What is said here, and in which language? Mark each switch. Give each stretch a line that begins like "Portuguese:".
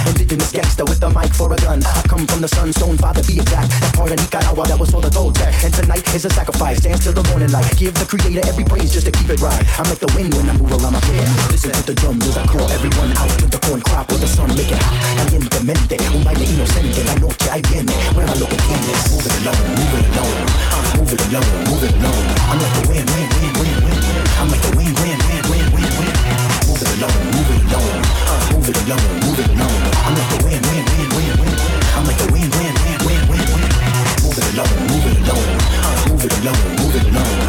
English: Indigenous gangster with a mic for a gun. I come from the sun. Stone father be exact. That part of Nicaragua that was for the Toltec. And tonight is a sacrifice. Dance till the morning light. Give the creator every praise just to keep it right. I'm like the wind when I move around my pair. Listen to the drum, there's a call. Everyone out with the corn crop with the sun, make it hot.
Spanish: Calientemente, un baile inocente. La noche ahí viene, mueva lo que tienes.
English: Move it alone, move it alone. Move it alone, move it alone. I'm like the wind, wind, wind, wind, wind. I'm like the wind, wind, wind, wind, wind, wind. Move it alone, move it alone. Move it alone, move it alone. I'm like the wind, wind, wind, wind, wind. I'm like the wind, wind, wind, wind, wind, wind. Move it alone, move it alone. Move it alone, move it alone.